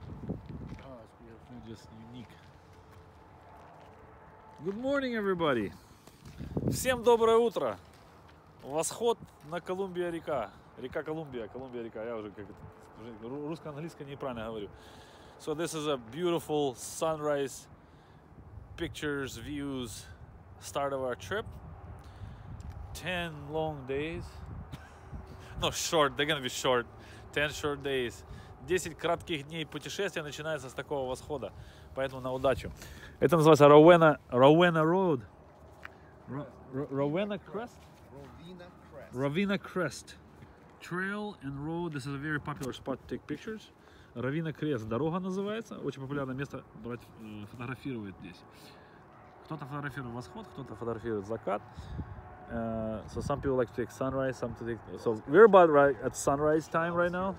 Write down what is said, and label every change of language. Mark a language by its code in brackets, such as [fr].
[en] Oh, it's beautiful. Just unique. Good morning, everybody. [ru] Всем доброе утро. Восход на Колумбия река. Река Колумбия, Колумбия река. Я уже как русско-английское неправильно говорю. [en] So this is a beautiful sunrise pictures, views, start of our trip. 10 long days. No, short, they're gonna be short. 10 short days. [ru] 10 кратких дней путешествия начинается с такого восхода. Поэтому на удачу. Это называется Rowena, Rowena Road. Rowena Crest? [en] Rowena Crest. Rowena Crest. Trail and road. This is a very popular spot to take pictures. [ru] Rowena Crest. Дорога называется. Очень популярное место брать, фотографировать здесь. Кто-то фотографирует восход, кто-то фотографирует закат. [en] So some people like to take sunrise, some to take... So we're about right at sunrise time right now.